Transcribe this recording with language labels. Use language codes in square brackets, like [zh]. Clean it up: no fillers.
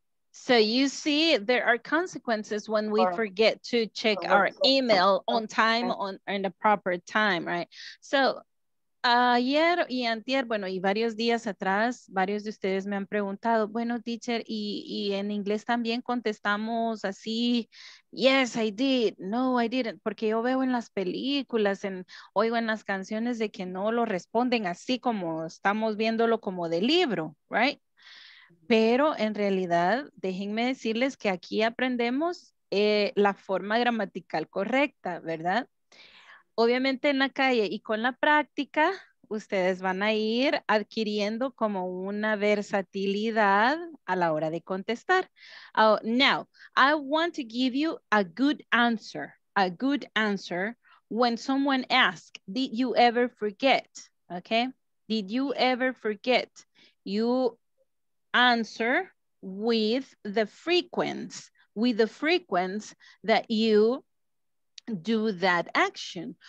[en] So you see, there are consequences when we forget to check our email on time, in the proper time, right? [es] So, ayer y antier, bueno, y varios días atrás, varios de ustedes me han preguntado, bueno, teacher, y en inglés también contestamos así, [en] yes, I did, no, I didn't, [es] porque yo veo en las películas, oigo en las canciones de que no lo responden así como estamos viéndolo como de libro, right? Pero en realidad, déjenme decirles que aquí aprendemos la forma gramatical correcta, ¿verdad? Obviamente en la calle y con la práctica, ustedes van a ir adquiriendo como una versatilidad a la hora de contestar. [en] Now, I want to give you a good answer. A good answer when someone asks, did you ever forget? Okay, did you ever forget? You answer with the frequency, that you do that action.